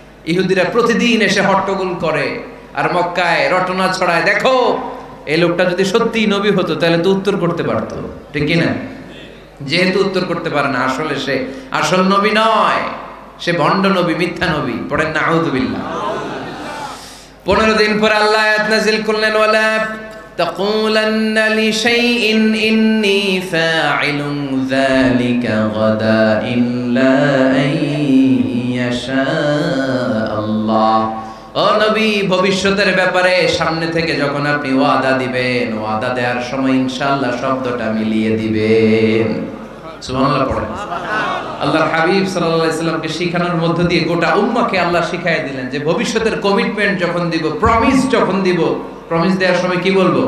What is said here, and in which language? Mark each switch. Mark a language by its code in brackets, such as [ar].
[bn] ইহুদিরা প্রতিদিন এসে হট্টগোল করে আর মক্কায় রটনা ছড়ায়, দেখো এই লোকটা যদি সত্যি নবী হতো তাহলে তো উত্তর করতে পারত, ঠিক কি না? যেহেতু উত্তর করতে পারে না, আসলে সে আসল নবী নয়, সে ভণ্ড নবী, মিথ্যা নবী, পড়েন না আউযুবিল্লাহ। 15 দিন পর আল্লাহ আয়াত নাযিল করলেন ওয়ালা [ar] تقولن لشيء إني فاعل ذلك غدا إلا أن يشاء الله। [bn] ও নবী, ভবিষ্যতের ব্যাপারে সামনে থেকে যখন আপনি ওয়াদা দিবেন, ওয়াদা দেওয়ার সময় ইনশাআল্লাহ শব্দটা মিলিয়ে দিবেন। সুবহানাল্লাহ, পড়েন সুবহানাল্লাহ। আল্লাহর হাবিব সাল্লাল্লাহু আলাইহি সাল্লামকে শিখানোর মধ্য দিয়ে গোটা উম্মাকে আল্লাহ শিখিয়ে দিলেন যে ভবিষ্যতের কমিটমেন্ট যখন দিব, প্রমিস যখন দিব, প্রমিস দেওয়ার সময় কি বলবো?